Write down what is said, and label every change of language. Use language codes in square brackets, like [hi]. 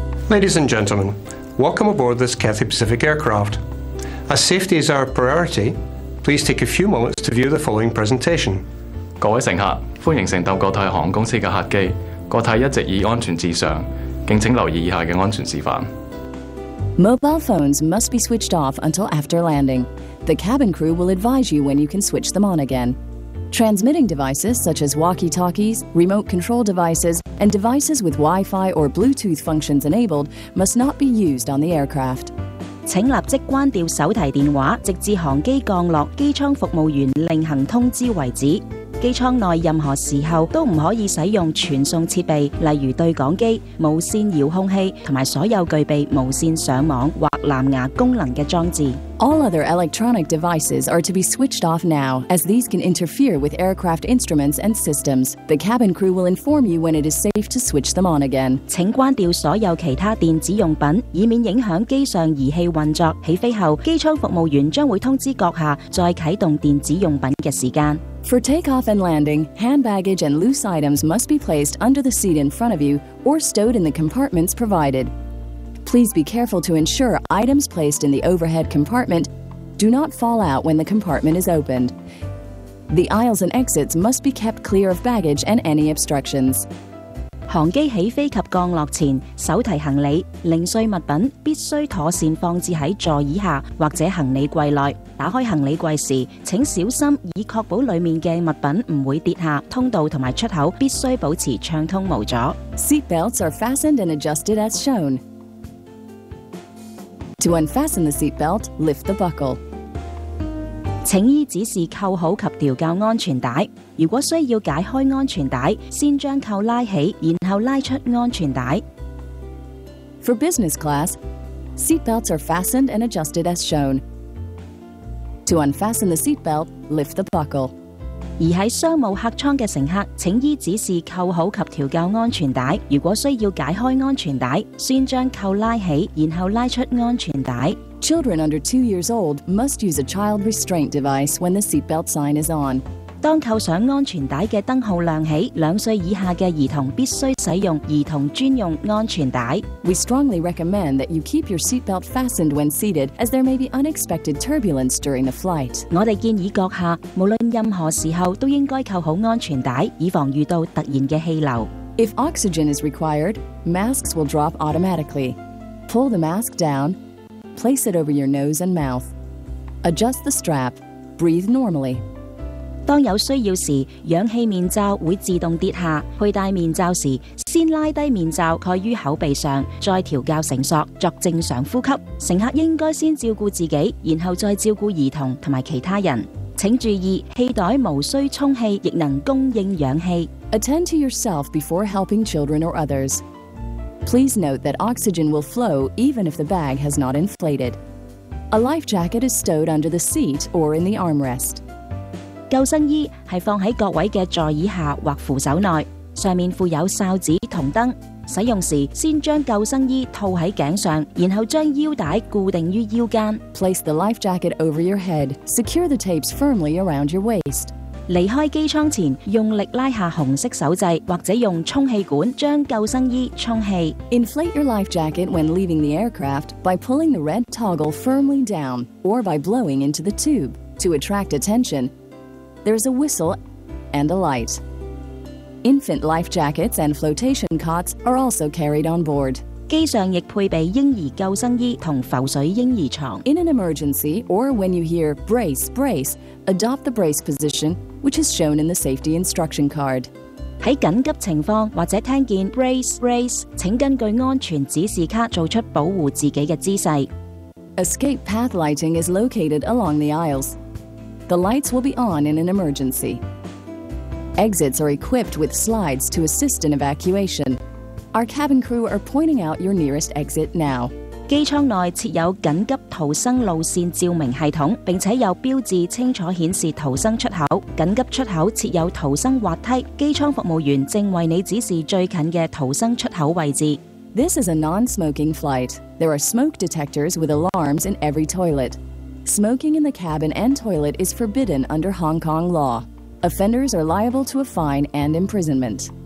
[en] Ladies and gentlemen, welcome aboard this Cathay Pacific aircraft. As safety is our priority, please take a few moments to view the following presentation. [yue] 各位乘客，欢迎乘搭国泰航空公司嘅客机。国泰一直以安全至上，敬请留意以下嘅安全示范。 [en] Mobile phones must be switched off until after landing. The cabin crew will advise you when you can switch them on again. Transmitting devices such as walkie-talkies, remote control devices, and devices with Wi-Fi or Bluetooth functions enabled must not be used on the aircraft. [yue] 请立即关掉手提电话，直至航机降落，机舱服务员另行通知为止。机舱内任何时候都不可以使用传送设备，例如对讲机、无线遥控器和所有具备无线上网或蓝牙功能的装置。 [en] All other electronic devices are to be switched off now, as these can interfere with aircraft instruments and systems. The cabin crew will inform you when it is safe to switch them on again. [yue] 请关掉所有其他电子用品，以免影响机上仪器运作。起飞后，机舱服务员将会通知阁下再启动电子用品的时间。 [en] For takeoff and landing, hand baggage and loose items must be placed under the seat in front of you or stowed in the compartments provided. Please be careful to ensure items placed in the overhead compartment do not fall out when the compartment is opened. The aisles and exits must be kept clear of baggage and any obstructions. [yue] 航机起飞及降落前，手提行李、零碎物品必须妥善放置在座椅下或者行李柜内。打开行李柜时，请小心以确保里面的物品不会跌下。通道和出口必须保持畅通无阻。 [en] Seat belts are fastened and adjusted as shown. To unfasten the seat belt, lift the buckle. [yue] 请依指示扣好及调校安全带。如果需要解开安全带，先将扣拉起，然后拉出安全带。 [en] For business class, seat belts are fastened and adjusted as shown. To unfasten the seat belt, lift the buckle. [yue] 而在商务客舱的乘客，请依指示扣好及调校安全带。如果需要解开安全带，先将扣拉起，然后拉出安全带。 [en] Children under 2 years old must use a child restraint device when the seatbelt sign is on. [yue] 当扣上安全带的灯号亮起，两岁以下的儿童必须使用儿童专用安全带。 [en] We strongly recommend that you keep your seatbelt fastened when seated, as there may be unexpected turbulence during the flight. [yue] 我们建议阁下，无论任何时候都应该扣好安全带，以防遇到突然的气流。 [en] If oxygen is required, masks will drop automatically. Pull the mask down, place it over your nose and mouth. Adjust the strap, breathe normally. [yue] 当有需要时，氧气面罩会自动跌下。佩戴面罩时，先拉低面罩盖于口鼻上，再调校绳索作正常呼吸。乘客应该先照顾自己，然后再照顾儿童和其他人。请注意，气袋无需充气，亦能供应氧气。 [en] Attend to yourself before helping children or others. Please note that oxygen will flow even if the bag has not inflated. A life jacket is stowed under the seat or in the armrest. [yue] 救生衣是放在各位的座椅下或扶手内，上面附有哨子同灯。使用时先将救生衣套在颈上，然后将腰带固定于腰间。 [en] Place the life jacket over your head. Secure the tapes firmly around your waist. [yue] 离开机舱前，用力拉下红色手掣，或者用充气管将救生衣充气。 [en] Inflate your life jacket when leaving the aircraft by pulling the red toggle firmly down or by blowing into the tube. To attract attention, there is a whistle and a light. Infant life jackets and flotation cots are also carried on board. [yue] 机上亦配备婴儿救生衣和浮水婴儿床。 [en] In an emergency, or when you hear brace, brace, adopt the brace position, which is shown in the safety instruction card. [yue] 在紧急情况或者听见 [en] brace, brace, [yue] 请根据安全指示卡做出保护自己的姿势。 [en] Escape path lighting is located along the aisles. The lights will be on in an emergency. Exits are equipped with slides to assist in evacuation. Our cabin crew are pointing out your nearest exit now. [yue] 机舱内设有紧急逃生路线照明系统，并且有标志清楚显示逃生出口。紧急出口设有逃生滑梯，机舱服务员正为你指示最近的逃生出口位置。 [en] This is a non-smoking flight. There are smoke detectors with alarms in every toilet. Smoking in the cabin and toilet is forbidden under Hong Kong law. Offenders are liable to a fine and imprisonment.